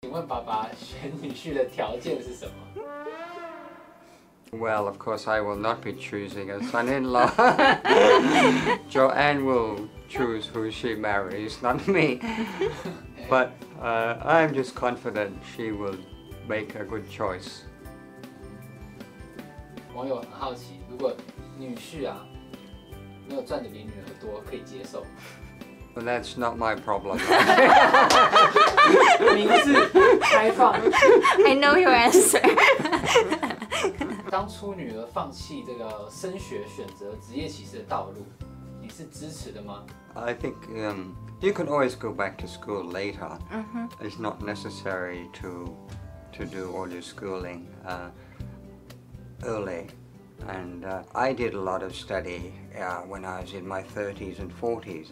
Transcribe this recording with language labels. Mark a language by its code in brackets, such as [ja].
[zh] 请问爸爸选女婿的条件是什么？ [en] Well, of course, I will not be choosing a son-in-law. Joanne will choose who she marries, not me. But I'm just confident she will make a good choice. [zh] 网友很好奇，如果女婿啊没有赚的比女儿多，可以接受？ [en] Well, that's not my problem. [zh] 名字开放。 [en] I know your answer. [zh] 当初女儿放弃这个升学选择职业歧视的道路，你是支持的吗？ [en] I think you can always go back to school later. Mm-hmm. It's not necessary to do all your schooling early. And I did a lot of study when I was in my 30s and 40s.